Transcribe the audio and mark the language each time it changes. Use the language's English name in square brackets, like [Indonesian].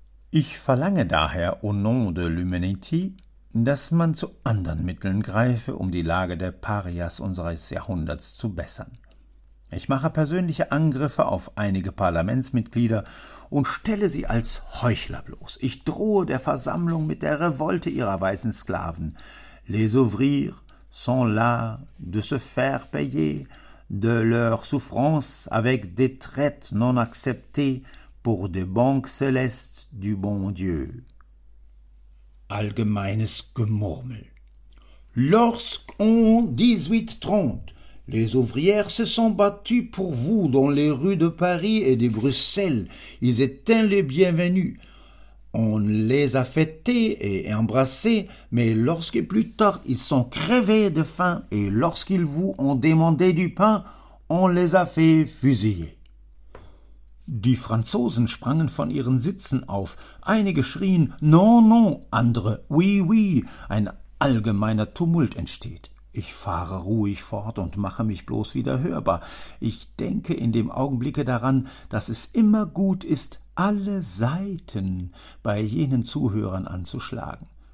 [German] Ich verlange daher [French] au nom de l'humanité, [German] dass man zu anderen Mitteln greife, um die Lage der Parias unseres Jahrhunderts zu bessern. Ich mache persönliche Angriffe auf einige Parlamentsmitglieder und stelle sie als Heuchler bloß. Ich drohe der Versammlung mit der Revolte ihrer weißen Sklaven. [French] Les ouvriers sont là de se faire payer de leur souffrance avec des traites non acceptées pour des banques célestes du bon Dieu. [German] Allgemeines Gemurmel. [French] Lorsqu'on 1830, les ouvrières se sont battues pour vous dans les rues de Paris et de Bruxelles. Ils étaient les bienvenus. On les a fêtés et embrassés, mais lorsque plus tard ils sont crevés de faim et lorsqu'ils vous ont demandé du pain, on les a fait fusiller. [German] Die Franzosen sprangen von ihren Sitzen auf. Einige schrien » [French] Non, non«, [German] andere » [French] Oui, oui«. [German] Ein allgemeiner Tumult entsteht. Ich fahre ruhig fort und mache mich bloß wieder hörbar. Ich denke in dem Augenblicke daran, dass es immer gut ist, alle Seiten bei jenen Zuhörern anzuschlagen.